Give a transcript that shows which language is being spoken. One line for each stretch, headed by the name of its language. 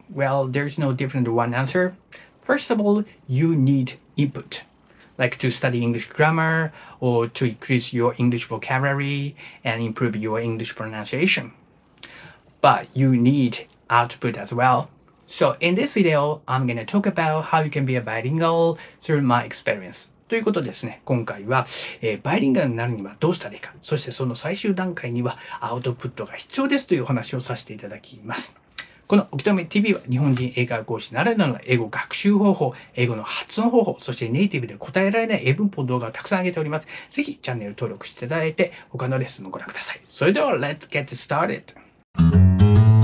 English: Well, there's no different one answer. First of all, you need input, like to study English grammar or to increase your English vocabulary and improve your English pronunciation. But you need output as well. So in this video, I'm going to talk about how you can be a bilingual through my experience.
Japanese: ということですね、今回は、バイリンガルになるにはどうしたらいいか、そしてその最終段階にはアウトプットが必要ですという話をさせていただきます。このおきとめ TV は日本人英会話講師ならではの英語学習方法、英語の発音方法、そしてネイティブで答えられない英文法動画をたくさん上げております。ぜひチャンネル登録していただいて、他のレッスンもご覧ください。それでは、 Let's get started!